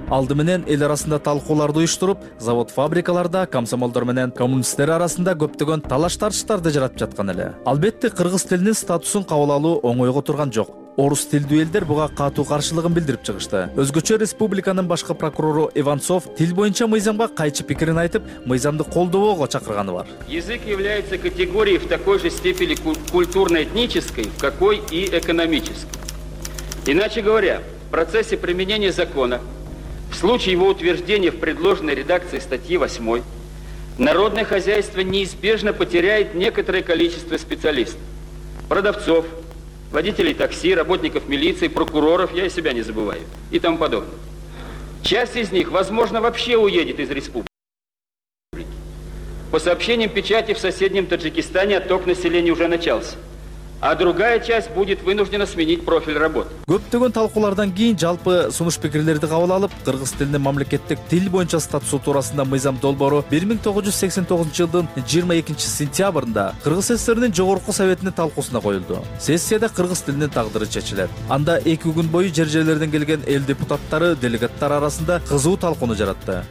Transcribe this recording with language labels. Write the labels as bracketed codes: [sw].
[ky] Алды менен эл арасында талкууларды уюштуруп, завод фабрикаларда комсомолдор менен коммунисттер арасында көптөгөн талаш тартыштарды жаратып жаткан эле. Албетте кыргыз тилинин статусун кабыл алуу оңойго турган жок. Орус тилдүү элдер буга катуу каршылыгын билдирип чыгышты. Өзгөчө республиканын башкы прокурору Иванцов тил боюнча мыйзамга кайчы пикирин айтып, мыйзамды колдобоого чакырганы бар. [ru] Язык является категорией в такой же степени культурно-этнической, какой и экономической. Иначе говоря, в процессе применения закона, в случае его утверждения в предложенной редакции статьи 8, народное хозяйство неизбежно потеряет некоторое количество специалистов, продавцов, водителей такси, работников милиции, прокуроров, я и себя не забываю, и тому подобное. Часть из них, возможно, вообще уедет из республики. По сообщениям печати в соседнем Таджикистане отток населения уже начался. А другая часть будет вынуждена сменить профиль работы. [ky] Көптөгөн талкуулардан кийин жалпы сунуш пикирлерди кабыл алып, кыргыз тилинин мамлекеттик тил боюнча статусу туурасында мыйзам долбоору 1989 жылдын 22 сентябрында Кыргыз СССРнин Жогорку Советинин талкуусуна коюлду. Сессияда кыргыз тилинин тагдыры чечилет. Анда 2 күн бою жер жерлерден келген эл депутаттары, делегаттар арасында кызуу талкууну жаратты.